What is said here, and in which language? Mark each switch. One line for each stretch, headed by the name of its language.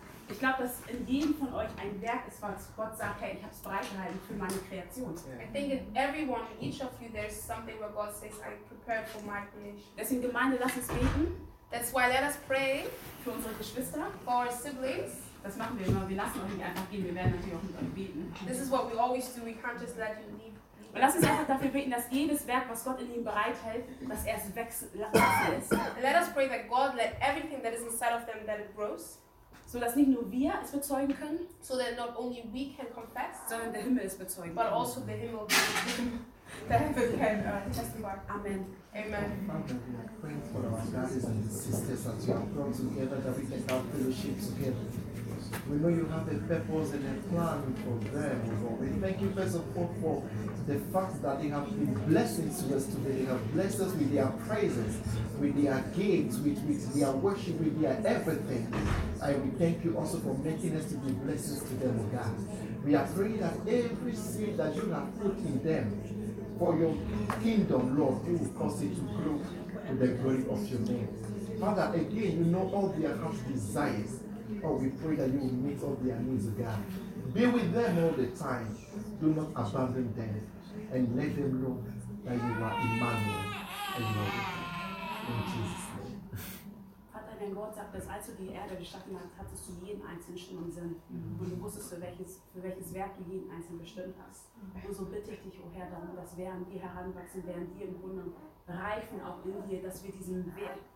German: Ich glaube, dass in jedem von euch ein Werk ist, was Gott sagt, hey, ich habe es bereitgehalten für meine Kreation.
English: I think in everyone, in each of you, there's something where God says, I prepared for my creation.
German: Deswegen Gemeinde, lass uns beten.
English: That's why let us pray
German: für unsere Geschwister,
English: for our siblings.
German: Das machen wir immer. Wir lassen euch nicht einfach gehen. Wir werden natürlich auch mit euch beten.
English: This is what we always do. We can't just let you leave.
German: Und lass uns einfach dafür beten, dass jedes Werk, was Gott in ihm bereithält, dass er es wachsen lässt.
English: And let us pray that God let everything that is inside of them that it grows,
German: so dass nicht nur wir es bezeugen können,
English: so that not only we can confess,
German: sondern der Himmel es bezeugen kann,
English: but also the Himmel can testify. Amen. Amen. For our brothers and sisters, as you come together, that we can have fellowship together. We know you have a purpose and a plan for them. We thank you first of all for the fact that they have been blessing to us today. They have blessed us with their praises, with their gifts, with their worship, with their everything. And we thank you also for making us to be blessings to them, God. We are praying that every seed that you have put in them for your kingdom, Lord, you will cause it to grow to the glory of your name. Father, again, you know all their heart's desires. Oh, we pray that you will meet all their needs, God. Be with them all the time. Do not abandon them. And let them know that you are Emmanuel and Lord. In Jesus' name.
German: Vater, dein Gott sagt, dass als du die Erde geschaffen hast, hattest du jeden Einzelnen schon im Sinn. Und du wusstest, für welches Werk du jeden Einzelnen bestimmt hast. Und so bitte ich dich, Herr, darum, dass während wir heranwachsen, während wir im Grunde reifen auch in dir, dass wir diesen Werk,